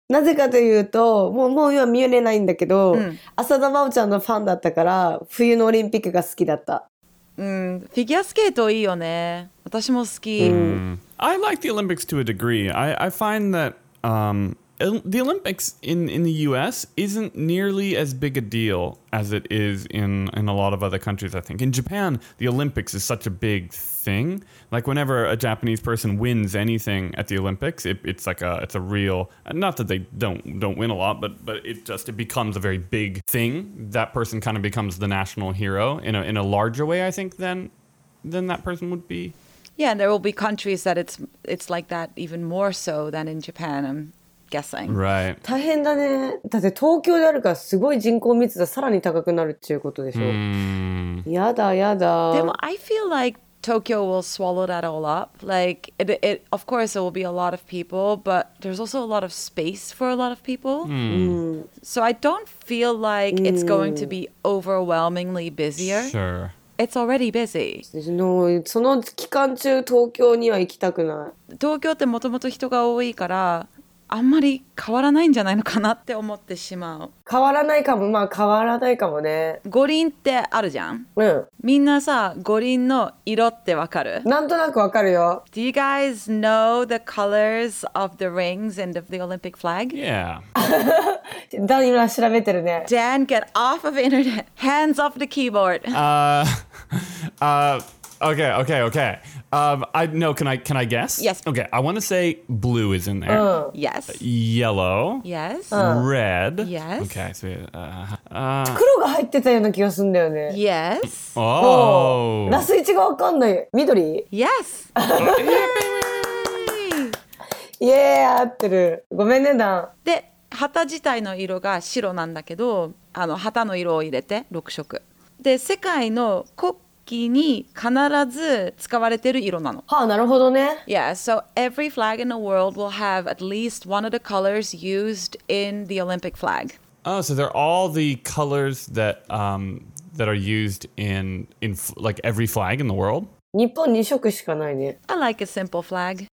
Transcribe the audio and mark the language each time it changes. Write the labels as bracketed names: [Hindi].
[Japanese] なぜかというと、もう今見れないんだけど、浅田真央ちゃんのファンだったから、冬のオリンピックが好きだった。フィギュアスケートいいよね。私も好き。 [English] I like the Olympics to a degree. I find that the Olympics in the US isn't nearly as big a deal as it is in a lot of other countries, I think. In Japan, the Olympics is such a big thing. Like whenever a Japanese person wins anything at the Olympics, it's a real, not that they don't win a lot, but it becomes a very big thing. That person kind of becomes the national hero in a larger way, I think, than that person would be. Yeah, and there will be countries that it's like that even more so than in Japan, I'm guessing. Right. [Japanese] 大変だね。だって東京であるからすごい人口密度さらに高くなるっていうことでしょ。やだやだ。 [English] でも I feel like Tokyo will swallow that all up. Like, it, of course, it will be a lot of people, but there's also a lot of space for a lot of people. So I don't feel like it's going to be overwhelmingly busier. Sure. It's already busy. [Japanese] No, その期間中東京には行きたくない。東京ってもともと人が多いから、あんまり変わらないんじゃないのかなって思ってしまう。変わらないかも、まあ変わらないかもね。五輪ってあるじゃん。うん。みんなさ、五輪の色ってわかる？なんとなくわかるよ。 [English] Do you guys know the colors of the rings and of the Olympic flag? Yeah. [Japanese] ダン今調べてるね。 [English] Dan, get off of internet. Hands off the keyboard. Okay. I no. Can I guess? Yes. Okay. I want to say blue is in there. Yes. Yellow. Yes. Red. Yes. Okay. So. [Japanese] 黒が入ってたような気がするんだよね。 [English] Yes. Oh. [Japanese] ナスイチがわかんない。緑。 [English] Yes. [Japanese] Yeah. 合ってる。ごめんねダン。で旗自体の色が白なんだけど、あの旗の色を入れて6色。で世界の国に必ず使われてる色なの。はあ、なるほどね。 [English] Yeah, so every flag in the world will have at least one of the colors used in the Olympic flag. Oh, so they're all the colors that that are used in like every flag in the world? [Japanese] 日本2色しかないね。 [English] I like a simple flag.